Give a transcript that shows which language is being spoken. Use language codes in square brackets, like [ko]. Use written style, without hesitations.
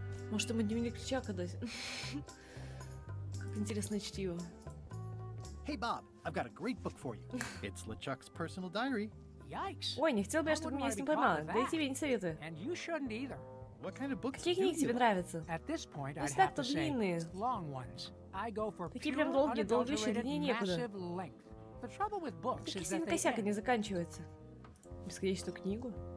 [ru] Может, ему дневник ключа когда-то? Как интересно чтиво. [en] Hey Bob, I've got a great book for you. It's LeChuck's personal diary. [ru] Ой, не хотел бы я, чтобы меня с ним поймали. Да и тебе не советую. Какие книги тебе нравятся? Ну, так-то длинные. Такие прям долгие, долгущие, длиннее некуда. Такие сильные косяки, они заканчиваются. Бесконечную книгу?